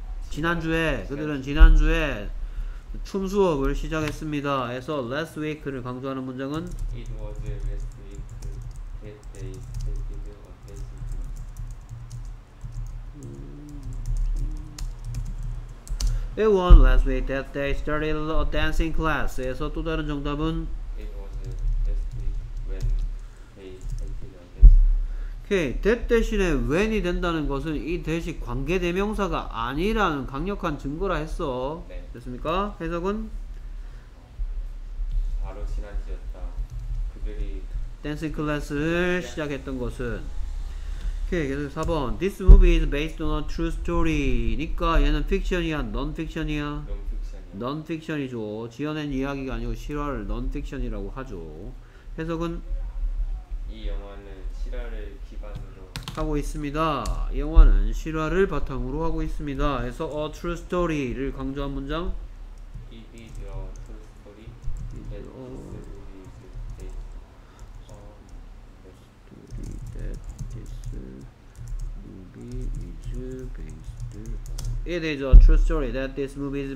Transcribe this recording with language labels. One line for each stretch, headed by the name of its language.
Korean: 지난주에 그들은 지난주에 춤 수업을 시작했습니다. 해서
English: last week
Korean: 를 강조하는 문장은
English: it was last week that they started a dancing class. It was last week that they started a dancing class.
Korean: 해서 또 다른 정답은
English: it was last week when they started a dancing class. Okay.
Korean: That 대신에 when이 된다는 것은 이 대신 관계대명사가 아니라는 강력한 증거라 했어. 네. 됐습니까? 해석은? 바로 지난주였다. 그들이 댄스 클래스를 네. 시작했던 것은. 오케이. 계속 4번.
English: This movie is based on a true story.
Korean: 니까 얘는 픽션이야? 논픽션이야? 논픽션이야. 논픽션이죠. 지어낸 이야기가 아니고 실화를 논픽션이라고 하죠. 해석은? 이 영화는 실화를 하고 있습니다. 이 영화는 실화를 바탕으로 하고 있습니다. 해서
English: a true story
Korean: 를 강조한 문장
English: it is a true story that is based on the story that this movie is based on.